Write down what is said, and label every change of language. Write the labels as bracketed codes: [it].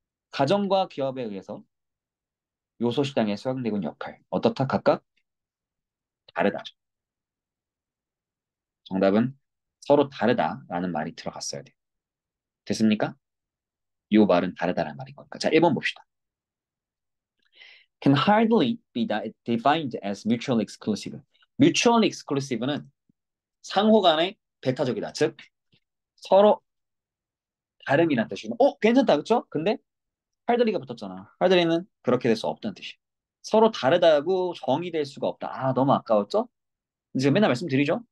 [ko] 가정과 기업에 의해서 요소 시장에 수행되고 있는 역할. 어떻다 각각? 다르다. 정답은 서로 다르다라는 말이 들어갔어야 돼요. 됐습니까? 이 말은 다르다라는 말인 거니까. 자, 1번 봅시다. [en] Can hardly be defined as mutually exclusive. [ko] Mutually exclusive는 상호 간에 배타적이다. 즉, 서로 다름이란 뜻이고, 괜찮다. 그쵸? 근데, hardly가 붙었잖아. hardly는 그렇게 될수 없다는 뜻이야. 서로 다르다고 정의될 수가 없다. 너무 아까웠죠? 이제 맨날 말씀드리죠?